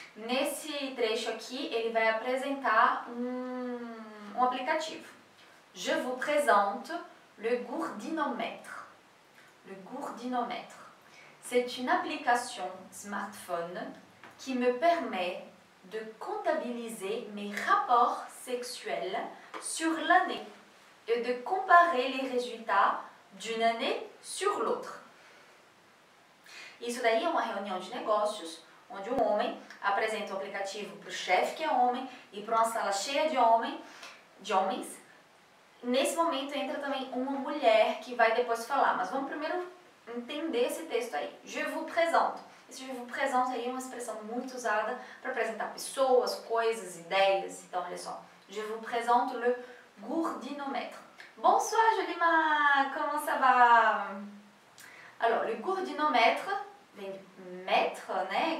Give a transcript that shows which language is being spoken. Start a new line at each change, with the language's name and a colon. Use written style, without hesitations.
Portuguese: Nesse trecho aqui, ele vai apresentar um aplicativo.
French: Je vous présente le gourdinomètre. Le gourdinomètre. C'est une application smartphone qui me permet de comptabiliser mes rapports sexuels sur l'année et de comparer les résultats d'une année sur l'autre.
Portuguese: Isso daí é uma reunião de negócios onde um homem apresenta o aplicativo para o chefe, que é homem, e para uma sala cheia de homens. Nesse momento entra também uma mulher que vai depois falar, mas vamos primeiro entender esse texto aí.
French: Je vous présente.
Portuguese: Esse
French: je vous présente
Portuguese: aí é uma expressão muito usada para apresentar pessoas, coisas, ideias. Então, olha só.
French: Je vous présente le gourdinomètre. Bonsoir, Jolima! Como ça va? Alors, le gourdinomètre
Portuguese: vem de
French: mètre, né?